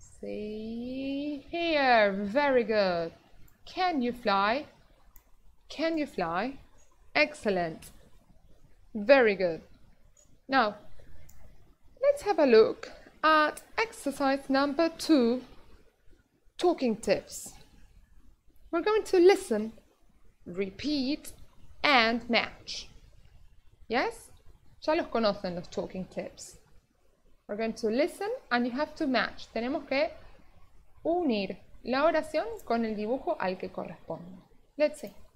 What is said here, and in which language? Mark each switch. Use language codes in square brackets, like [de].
[en] Here, very good. Can you fly? Can you fly? Excellent. Very good. Now, let's have a look at exercise number 2, talking tips. We're going to listen, repeat, and match. Yes? [es] Ya los conocen los talking tips. [en] We're going to listen and you have to match. [es] Tenemos que unir la oración con el dibujo al que corresponde. [en] Let's see.